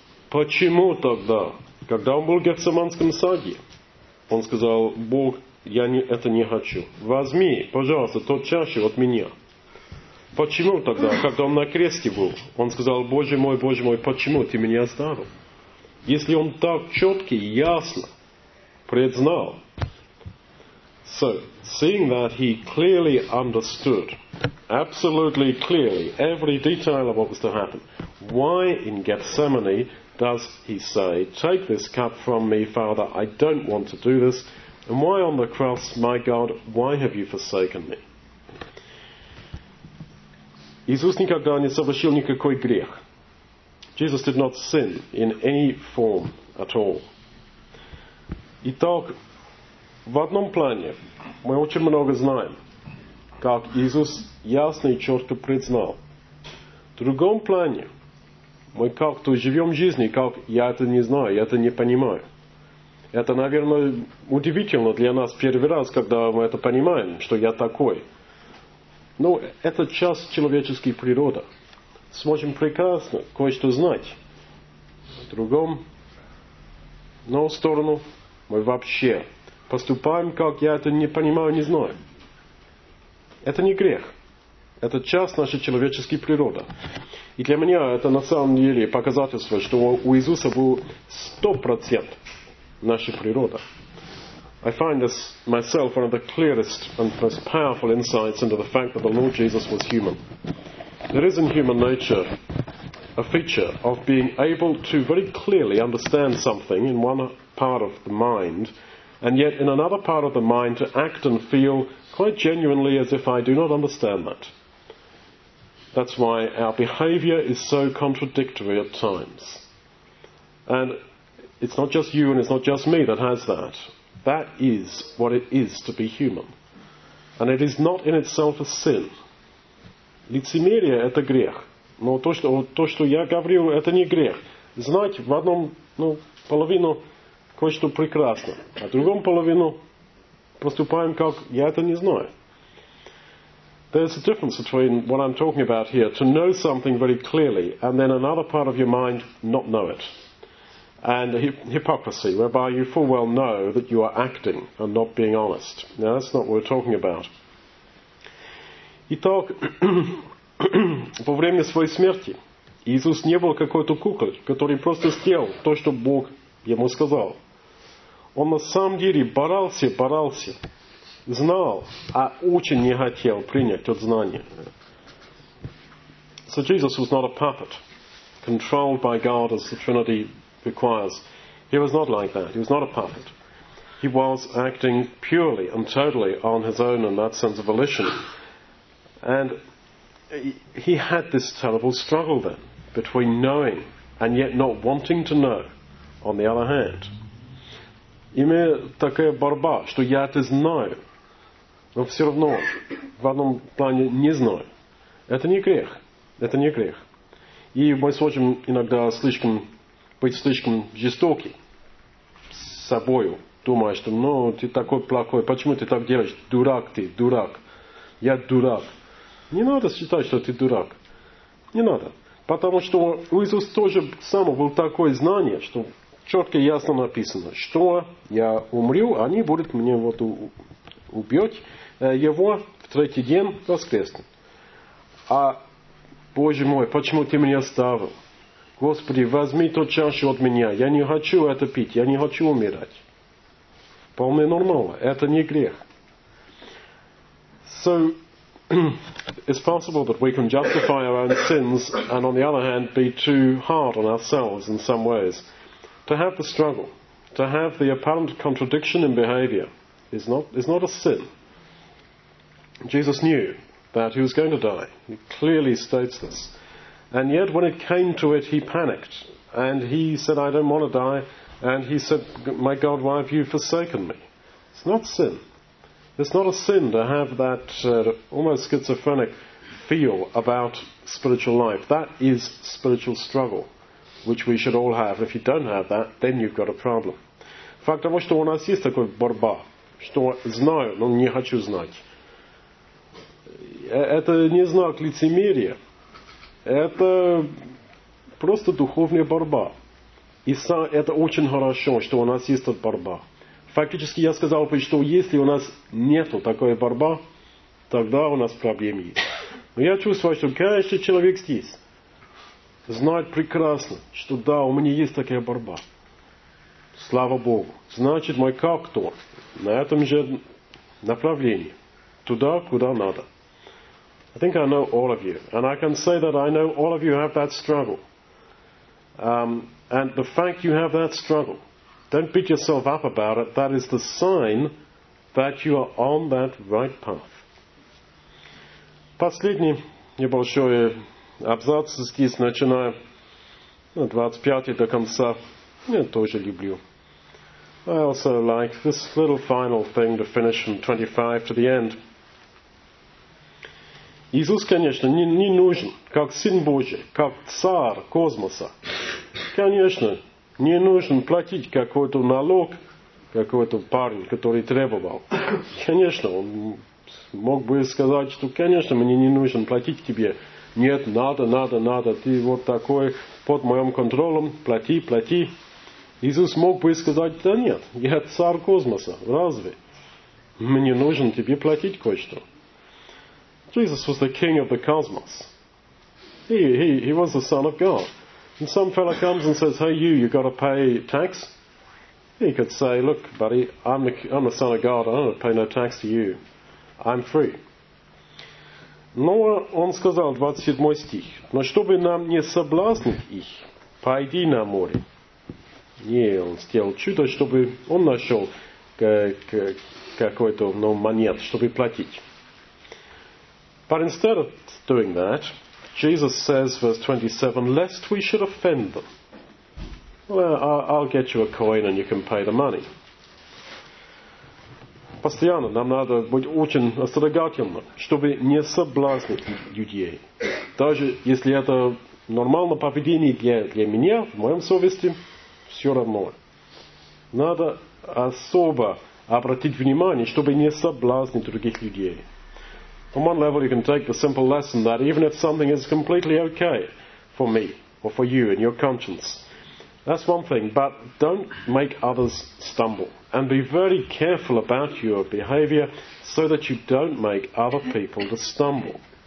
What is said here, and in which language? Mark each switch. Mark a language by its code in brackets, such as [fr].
[ru] Почему тогда, когда он был в Гефсиманском саде, он сказал, Бог, я это не хочу. Возьми, пожалуйста, тот чашу от меня. Почему тогда, когда он на кресте был, он сказал, Боже мой, почему ты меня оставил? Если он так четко и ясно предзнал. [en] So, seeing that he clearly understood, absolutely clearly, every detail of what was to happen, why in Gethsemane does he say, take this cup from me, Father, I don't want to do this. And why on the cross, my God, why have you forsaken me? [ru] Иисус никогда не совершил никакой грех. [en] Jesus did not sin in any form at all. [ru] Итак, в одном плане мы очень много знаем, как Иисус ясно и четко признал. В другом плане мы как-то живем жизнью, как я это не знаю, я это не понимаю. Это, наверное, удивительно для нас первый раз, когда мы это понимаем, что я такой. Но это часть человеческой природы. Сможем прекрасно кое-что знать. В другом, но в сторону мы вообще поступаем, как я это не понимаю, не знаю. Это не грех. Это часть нашей человеческой природы. И для меня это на самом деле показательство, что у Иисуса был 100% наша природа. [en] I find this myself one of the clearest and most powerful insights into the fact that the Lord Jesus was human. There is in human nature a feature of being able to very clearly understand something in one part of the mind, and yet in another part of the mind to act and feel quite genuinely as if I do not understand that. That's why our behavior is so contradictory at times. And it's not just you and it's not just me that has that. That is what it is to be human. And it is not in itself a sin. [ru] Лицемерие – это грех. Но то, что я говорю, это не грех. Знать в одном, ну, половину кое-что прекрасно, а в другом половину поступаем как «я это не знаю». [en] There's a difference between what I'm talking about here, to know something very clearly, and then another part of your mind not know it. And hypocrisy, whereby you full well know that you are acting and not being honest. Now, that's not what we're talking about. [ru] Итак, во время своей смерти Иисус не был какой-то куклой, который просто сделал то, что Бог ему сказал. Он на самом деле боролся, знал, а очень не хотел принять от знания. [en] So Jesus was not a puppet, controlled by God as the Trinity requires. He was not like that. He was not a puppet. He was acting purely and totally on his own in that sense of volition. And he had this terrible struggle then between knowing and yet not wanting to know on the other hand. [ru] Имея такая борьба, что я это знаю, но все равно в одном плане не знаю. Это не грех. Это не грех. И мы сможем иногда слишком быть слишком жестоки с собою, думая, что ну ты такой плохой, почему ты так делаешь? Дурак ты, дурак. Я дурак. Не надо считать, что ты дурак. Не надо. Потому что у Иисуса тоже само было такое знание, что четко и ясно написано, что я умру, они будут мне вот убить его в третий день воскреснет. А, Боже мой, почему ты меня оставил? Господи, возьми тот чашу от меня. Я не хочу это пить, я не хочу умирать. Вполне нормально. Это не грех. [en] So, it's possible that we can justify our own sins and on the other hand be too hard on ourselves in some ways. To have the struggle, to have the apparent contradiction in behavior is not a sin. Jesus knew that he was going to die. He clearly states this. And yet when it came to it, he panicked. And he said, I don't want to die. And he said, my God, why have you forsaken me? It's not sin. It's not a sin to have that almost schizophrenic feel about spiritual life. That is spiritual struggle, which we should all have. If you don't have that, then you've got a problem. [ru] Факт того, что у нас есть такая борьба, что знаю, но не хочу знать. Это не знак лицемерия. Это просто духовная борьба. И это очень хорошо, что у нас есть эта борьба. Фактически я сказал бы, что если у нас нет такой борьбы, тогда у нас проблем есть. Но я чувствую, что каждый человек здесь знает прекрасно, что да, у меня есть такая борьба. Слава Богу. Значит, мой кактор на этом же направлении. Туда, куда надо. [en] I think I know all of you, and I can say that I know all of you have that struggle. And the fact you have that struggle, don't beat yourself up about it, that is the sign that you are on that right path. [ru] Последний небольшой абзац здесь начинаю, 25 до конца, я тоже люблю. [en] I also like this little final thing to finish from 25 to the end. [ru] Иисус, конечно, не нужен, как Сын Божий, как Царь космоса. Конечно, не нужен платить какой-то налог, какой-то парень, который требовал. Конечно, он мог бы сказать, что, конечно, мне не нужен платить тебе. Нет, надо, ты вот такой, под моим контролем, плати. Иисус мог бы сказать, да нет, я Царь космоса, разве? Мне нужен тебе платить кое-что. [en] Jesus was the king of the cosmos. He was the son of God. And some fellow comes and says, hey, you got to pay tax? He could say, look, buddy, I'm the son of God, I don't pay no tax to you. I'm free. [ru] Но он сказал, 27 стих, но чтобы нам не соблазнить их, пойди на море. Не, он сделал чудо, чтобы он нашел какой-то монет, чтобы платить. [en] But instead of doing that, Jesus says, verse 27, lest we should offend them. Well, I'll get you a coin and you can pay the money. [ru] Постоянно нам надо быть очень осторожным, чтобы не соблазнить людей. Даже если это нормальное поведение для меня, в моем совести, все равно. Надо особо обратить внимание, чтобы не соблазнить других людей. [en] On one level you can take the simple lesson that even if something is completely okay for me or for you and your conscience, that's one thing, but don't make others stumble. And be very careful about your behavior so that you don't make other people to stumble.